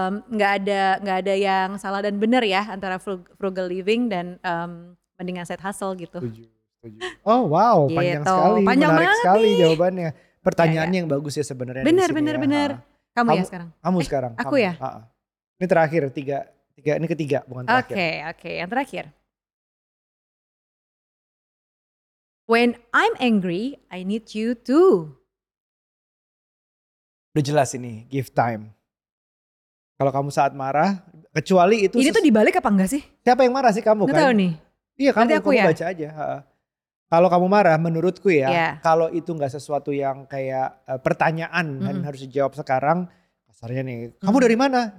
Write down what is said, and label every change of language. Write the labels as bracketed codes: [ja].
[id] Nggak ada yang salah dan benar ya antara frugal living dan mendingan side hustle gitu. Tujuh. Oh wow, panjang gitu. Sekali, panjang menarik sekali nih. Jawabannya. Pertanyaannya yang bagus ya sebenarnya. Benar. Ya. Kamu ya sekarang. Kamu sekarang. Aku ya. Ini terakhir tiga ini ketiga bukan terakhir. Oke. Yang terakhir. [en] When I'm angry, I need you too. [id] Udah jelas ini, [en] give time. [id] Kalau kamu saat marah, kecuali itu... Ini tuh dibalik apa enggak sih? Siapa yang marah sih kamu? Nggak kan? Tahu nih. Iya kamu, aku ya? Baca aja. Kalau kamu marah, menurutku ya, kalau itu enggak sesuatu yang kayak pertanyaan dan harus dijawab sekarang, kasarnya nih, kamu dari mana?